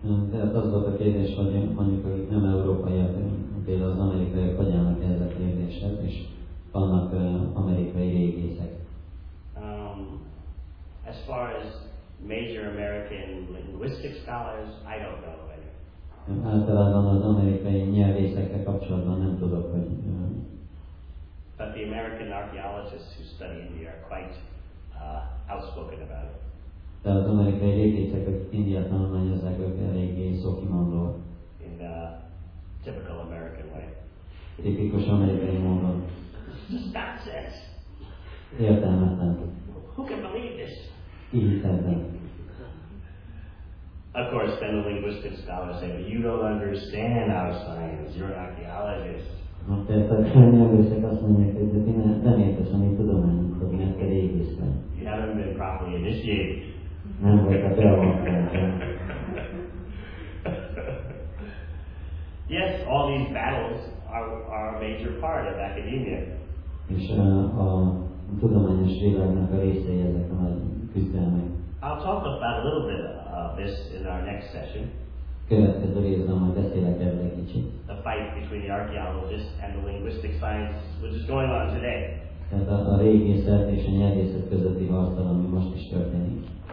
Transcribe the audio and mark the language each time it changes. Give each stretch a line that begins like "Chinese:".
Hungarian: Tehát az volt a kérdés, hogy mondjuk, akik nem európaiak, például az amerikaiak hagyjanak ezzel a kérdéssel, és vannak amerikai régészek.
English: As far as major American linguistic scholars, I don't know any.
Hungarian: Általában az amerikai nyelvészekkel kapcsolatban nem tudok, hogy
English: but the American archaeologists who study India are quite outspoken about it.
Hungarian: De az amerikai régészek, akik India tanulmányozzák, ők eléggé szókimondóak.
English: In a typical American way.
Hungarian: Tipikus amerikai módon.
English: This is nonsense.
Hungarian: Értelmetlen.
English: Who can believe this?
Hungarian: Ki hitt ebben?
English: Of course, then the linguistic scholars say, but you don't understand our science, you're an archaeologist.
Hungarian: Tehát a nyelvészek azt mondják, hogy de ti nem értesz, amit tudom, hogy mert te régész vagy.
English: You haven't been properly initiated.
Hungarian: Nem volt a beavatkozás.
English: Yes, all these battles are a major part of academia.
Hungarian: És a tudományos világnak a részei ezek a küzdelmek.
English: I'll talk about a little bit of this in our next session.
Hungarian: Következő részben majd beszélek erről egy kicsit.
English: The fight between the archaeologists and the linguistic science, which is going on today.
Hungarian: Tehát a régészet és a nyelvészet közötti harcban, ami most is történik.